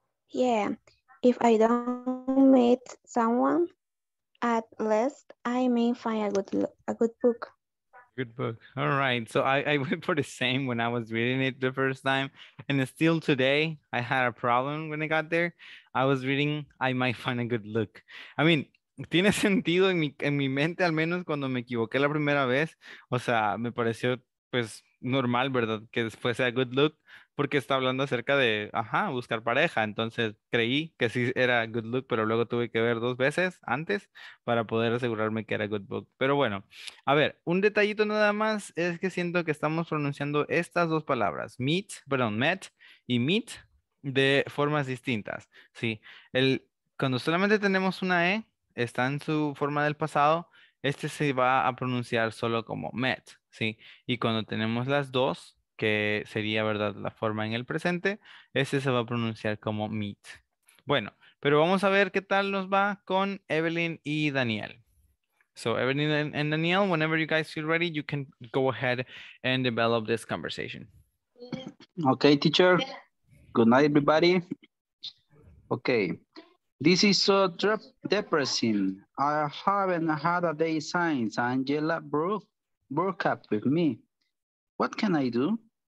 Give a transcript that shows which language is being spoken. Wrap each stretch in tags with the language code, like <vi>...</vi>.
<en>Yeah, if I don't meet someone, at least I may find a good book. Good book. All right. So I went for the same when I was reading it the first time. And still today, I had a problem when I got there. I was reading, I might find a good look. I mean,</en> <es>tiene sentido en mi mente, al menos cuando me equivoqué la primera vez. O sea, me pareció pues normal, ¿verdad? Que después sea</es> <en>good look,</en> <es>porque está hablando acerca de, ajá, buscar pareja. Entonces creí que sí era</es> <en>good look,</en> <es>pero luego tuve que ver dos veces antes para poder asegurarme que era</es> <en>good book.</en> <es>Pero bueno, a ver, un detallito nada más es que siento que estamos pronunciando estas dos palabras, met y meet, de formas distintas, ¿sí? Cuando solamente tenemos una E, está en su forma del pasado, este se va a pronunciar solo como met, ¿sí? Y cuando tenemos las dos, que sería, ¿verdad?, la forma en el presente, ese se va a pronunciar como meet. Bueno, pero vamos a ver qué tal nos va con Evelyn y Daniel.</es> <en>So, Evelyn and Daniel, whenever you guys feel ready, you can go ahead and develop this conversation. Okay, teacher. Good night, everybody. Okay. This is so depressing. I haven't had a day since Angela broke up with me. What can I do?</en>